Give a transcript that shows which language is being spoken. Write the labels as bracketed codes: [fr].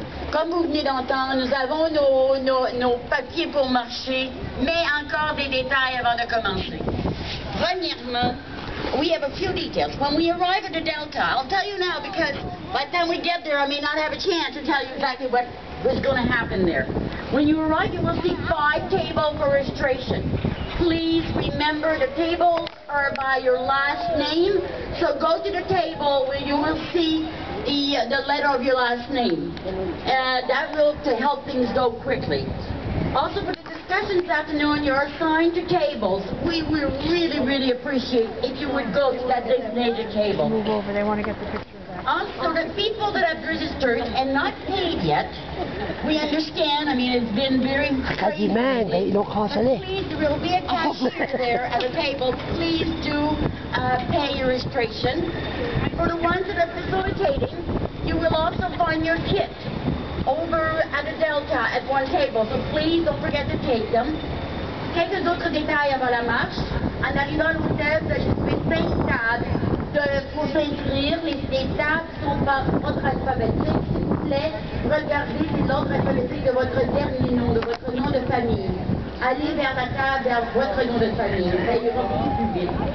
[fr] Comme vous venez d'entendre, nous avons nos papiers pour marcher, mais encore des détails avant de commencer. Premièrement, [en] we have a few details. When we arrive at the Delta, I'll tell you now because by the time we get there, I may not have a chance to tell you exactly what was going to happen there. When you arrive, you will see 5 tables for registration. Please remember the tables are by your last name, so go to the table where you will see the letter of your last name. That will to help things go quickly. Also, for the discussion this afternoon, you're assigned to tables. We would really, really appreciate if you would go to that designated table. Move over. They want to get the picture back. Also, the people that have registered and not paid yet, we understand. I mean, it's been very crazy. Man, they don't cost any. Please, there will be a cashier there at the table. Please do pay your registration. For the ones that are facilitating, you will also find your kit over at the Delta at one table. So please don't forget to take them. [fr] Quelques autres détails avant la marche. En arrivant à l'hôtel, je trouvais 5 tables pour s'inscrire. Les tables sont par ordre alphabétique. S'il vous plaît, regardez si l'ordre alphabétique de votre dernier nom, de votre nom de famille. Allez vers la table, vers votre nom de famille. Ça ira beaucoup plus vite.